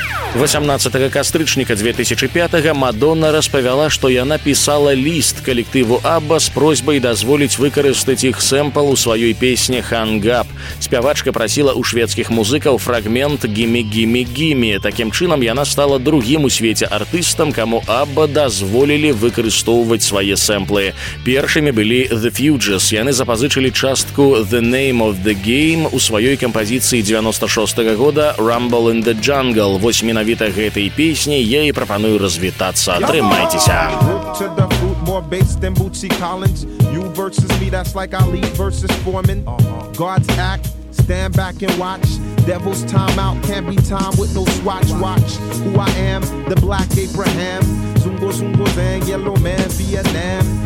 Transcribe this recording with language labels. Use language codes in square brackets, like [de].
[be] 18 кастрычніка 2005-го Мадонна распавяла, што яна пісала ліст калектыву Абба з просьбай дазволіць выкарыстаць іх сэмпл у сваёй песні «Hang Up». Спявачка прасіла ў шведскіх музыкаў фрагмент «Gimme, gimme, gimme». Такім чынам яна стала другім у свеце артыстам, каму Абба дазволілі выкарыстоўваць свае сэмплы. Першымі былі «The Fugees». Яны запазычылі частку «The Name of the Game» у сваёй кампазіцыі 96-го года «Rumble in the Jungle». Менавіта гэтай песні я і прапаную развітацца. Трымайцеся. [en] More bass than Bootsy Collins. You versus me, that's like Ali versus Foreman. God's act, stand back and watch. Devil's time out, can't be time with no swatch. Watch who I am, the Black Abraham. Zungo, Zungo, Zang, Yellow Man, Vietnam.